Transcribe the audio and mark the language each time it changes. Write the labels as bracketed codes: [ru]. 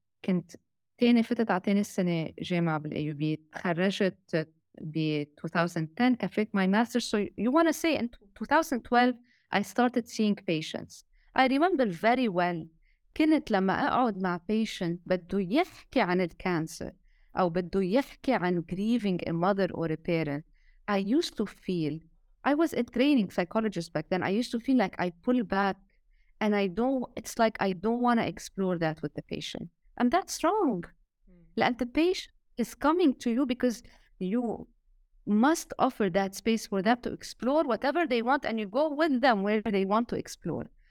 [ar] كنت تاني فتت على تاني السنة جامعة بالأيوبي. تخرجت ب-2010. كفيت [en] my master's. So you want to say in 2012, I started seeing patients. I remember very well. [ar] كنت لما أقعد مع patient بده يحكي عن الكانسر. أو بده يحكي عن [en] grieving a mother or a parent, I used to feel, I was a training psychologist back then, I used to feel like I pull back and it's like I don't want to explore that with the patient. And that's wrong. And the patient is coming to you because you must offer that space for them to explore whatever they want, and you go with them where they want to explore.